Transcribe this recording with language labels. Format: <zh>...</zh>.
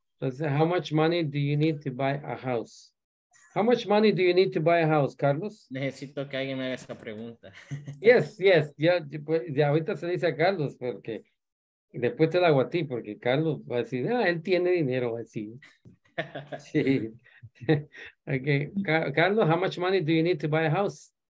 <en>Entonces, how much money do you need to buy a house? How much money do you need to buy a house, Carlos?</en> <es>Necesito que alguien me haga esa pregunta.</es> <en>Yes.</en> <es>Ya ahorita se dice a Carlos, porque después te la hago a ti, porque Carlos va a decir, él tiene dinero, va a decir. Sí.</es> <en>Okay. Carlos, how much money do you need to buy a house?</en>